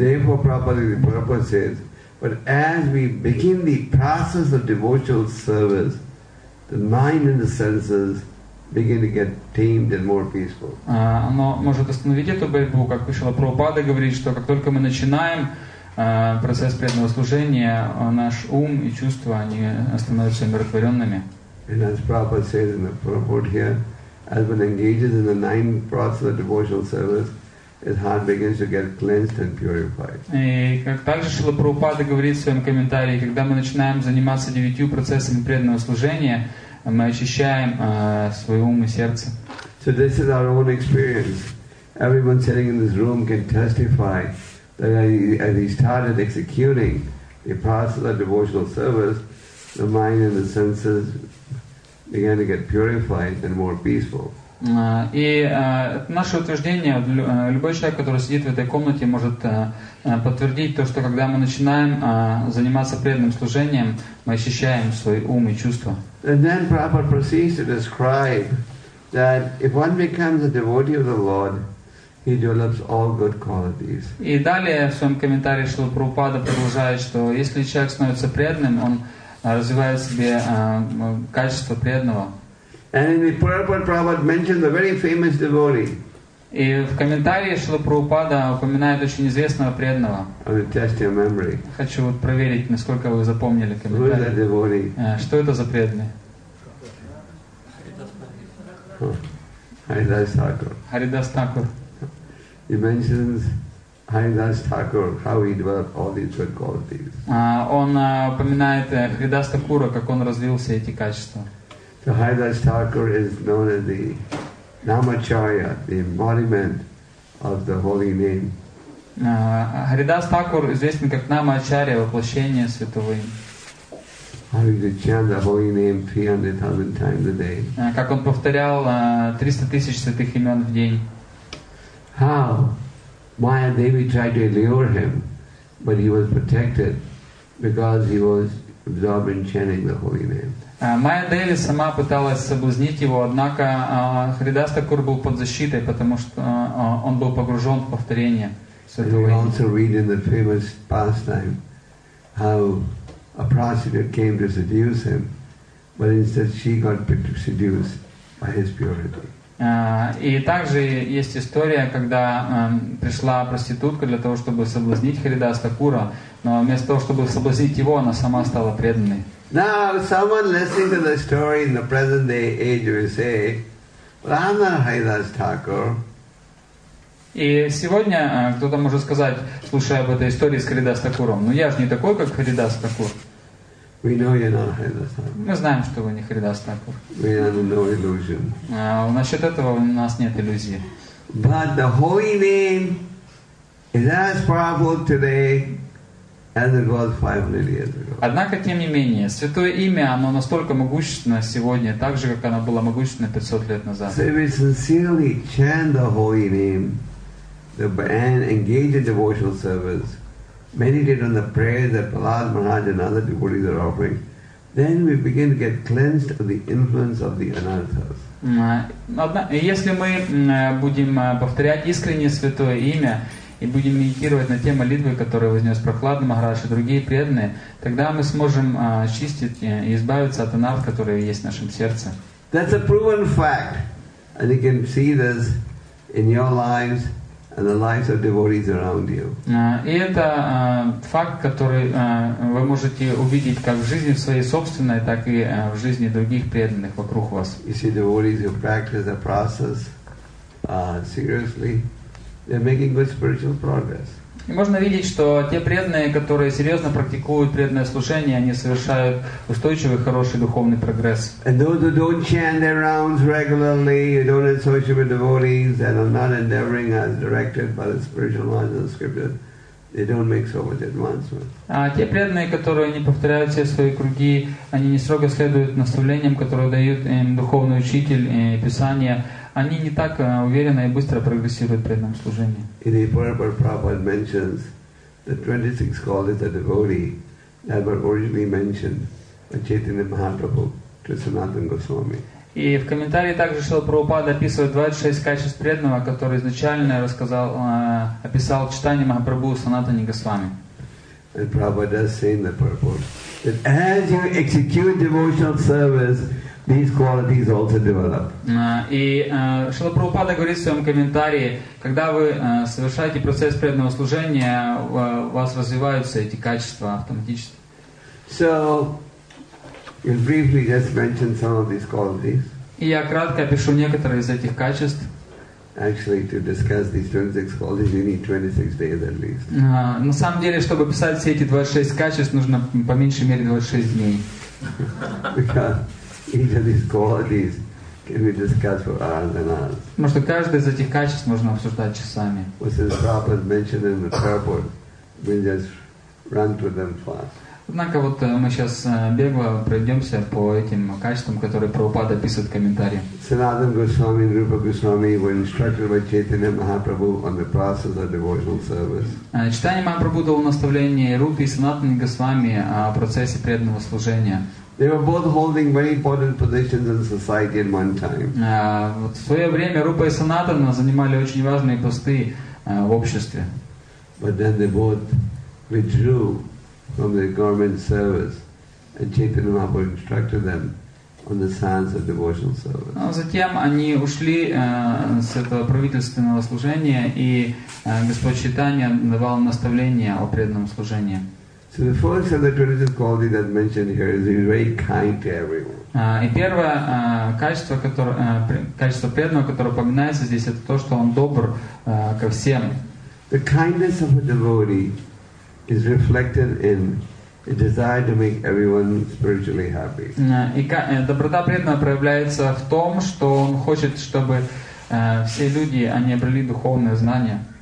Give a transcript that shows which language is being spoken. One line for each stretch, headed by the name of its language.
English: Therefore, properly the Prabhupada says, but as we begin the process of devotional service, the mind and the senses begin to get tamed and more peaceful.
Russian: Оно может остановить эту борьбу, как Шрила Прабхупада говорит, что как только мы начинаем процесс преданного служения, наш ум и чувства, они становятся умиротворенными.
English: And as Prabhupada says in the purport here, as one engages in the nine process of devotional service, his heart begins to get cleansed and purified.
Russian: И как также Шрила Прабхупада говорит в своем комментарии, когда мы начинаем заниматься девятью процессами преданного служения, мы очищаем свой ум и сердце.
English: So this is our own experience. Everyone sitting in this room can testify that as he started executing the process of devotional service, the mind and the senses began to get purified and more peaceful.
Russian: И наше утверждение, любой человек, который сидит в этой комнате, может подтвердить то, что когда мы начинаем заниматься преданным служением, мы ощущаем свой ум и чувства.
English: And then Prabhupada proceeds to describe that if one becomes a devotee of the Lord, he develops all good qualities.
Russian: И далее в своем комментарии Шрила Прабхупада продолжает, что если человек становится преданным, он развивает в себе качество преданного.
English: And in the purport, Prabhupada mentions a very famous devotee.
Russian: И в комментарии Шрила Прабхупада упоминает очень известного преданного.
English: I will test your memory.
Russian: Хочу вот проверить, насколько вы запомнили комментарий.
English: Who is that devotee?
Russian: Что это за преданный?
English: Haridas Thakur.
Russian: Haridas Thakur.
English: He mentions Haridas Thakur, how he developed all these good qualities.
Russian: Он упоминает Haridas Thakur, как он развил все эти качества.
English: So Haridas Thakur is known as the Namacharya, the embodiment of the holy name.
Russian: Haridas Thakur известен как Namacharya, воплощение святого имени.
English: How he chants the holy name 300,000 times a day.
Russian: Как он повторял 300,000 святых имен в день.
English: How Maya Devi tried to lure him, but he was protected because he was absorbed in chanting the holy name.
Russian: Майя Деви сама пыталась соблазнить его, однако Харидас Такур был под защитой, потому что он был погружен в повторение святого имени.
English: We also read in the famous pastime how a prostitute came to seduce him, but instead she got seduced by his purity.
Russian: И также есть история, когда пришла проститутка для того, чтобы соблазнить Харидас Такура, но вместо того, чтобы соблазнить его, она сама стала преданной.
English: Now, someone listening to the story in the present day age will say, "Well, I'm not Haridas Thakur."
Russian: И сегодня кто-то может сказать, слушая об этой истории с Харидас Такуром, "Ну я же не такой, как Харидас Такур."
English: We know you're not Haridas Thakur.
Russian: Мы знаем, что вы не Харидас Такур.
English: We have no illusion.
Russian: Насчет этого у нас нет иллюзии.
English: But the holy name is as powerful today as it was 500 years ago.
Russian: Однако, тем не менее, святое имя, оно настолько могущественно сегодня, так же, как оно было могущественно 500 лет назад.
English: So if we sincerely chant the holy name and engage in devotional service, meditate on the prayers that Prahlad Maharaj and other devotees are offering, then we begin to get cleansed of the influence of the anarthas.
Russian: Если мы будем повторять искренне святое имя, и будем медитировать на те молитвы, которые вознес Прохлад Махараш и другие преданные, тогда мы сможем очистить и избавиться от анарт, которые есть в нашем сердце.
English: That's a proven fact. And you can see this in your lives and the lives of devotees around you.
Russian: И это факт, который вы можете увидеть как в жизни своей собственной, так и в жизни других преданных вокруг вас.
English: You see devotees who practice the process seriously, they're making good spiritual progress.
Russian: И можно видеть, что те преданные, которые серьезно практикуют преданное служение, они совершают устойчивый, хороший духовный прогресс.
English: And those who don't chant their rounds regularly, who don't associate with devotees, and are not endeavoring as directed by the spiritual laws of the scripture, they don't make so much advancement.
Russian: А те преданные, которые не повторяют все свои круги, они не строго следуют наставлениям, которые дают им духовный учитель и Писание, они не так уверенно и быстро прогрессируют в преданном служении.
English: In the Purport, Prabhupada mentions the 26 qualities of devotee that were originally mentioned by Chaitanya Mahaprabhu to Sanatan Goswami.
Russian: И в комментарии также Шрила Прабхупада описывает 26 качеств преданного, которые изначально рассказал, описал Чайтанья Махапрабху Санатане Госвами.
English: And Prabhupada does say in the Purport that as you execute devotional service, these qualities also develop.
Russian: И Шрила Прабхупада говорит в своем комментарии, когда вы совершаете процесс преданного служения, у вас развиваются эти качества автоматически.
English: So, we'll briefly just mention some of these qualities.
Russian: И я кратко опишу некоторые из этих качеств.
English: Actually, to discuss these 26 qualities, you need 26 days at least.
Russian: На самом деле, чтобы описать все эти 26 качеств, нужно по меньшей мере 26 дней.
English: Each of these qualities can be discussed for hours and hours.
Russian: Может, каждый из этих качеств можно обсуждать часами.
English: What the Prabhupada mentioned in the purport, we'll just run through them fast.
Russian: Однако вот мы сейчас бегло пройдемся по этим качествам, которые Прабхупада описывает в комментарии.
English: Sanatana Goswami and Rupa Goswami were instructed by Chaitanya Mahaprabhu on the process of devotional service.
Russian: Чайтанья Махапрабху дал наставление Рупе и Санатане Госвами о процессе преданного служения.
English: They were both holding very important positions in society at one time.
Russian: Вот в свое время Рупа и Санатана занимали очень важные посты в обществе.
English: But then they both withdrew from the government service, and Chaitanya Mahaprabhu instructed them on the science of devotional service.
Russian: Но затем они ушли с этого правительственного служения, и Господь Чайтанья давал наставления о преданном служении.
English: So the first of the 26 qualities that's mentioned here is he's very kind to everyone.
Russian: И первое качество, качество преданного, которое упоминается здесь, это то, что он добр ко всем.
English: The kindness of a devotee is reflected in a desire to make everyone spiritually happy.
Russian: И доброта преданного проявляется в том, что он хочет, чтобы все люди они обрели духовное знание.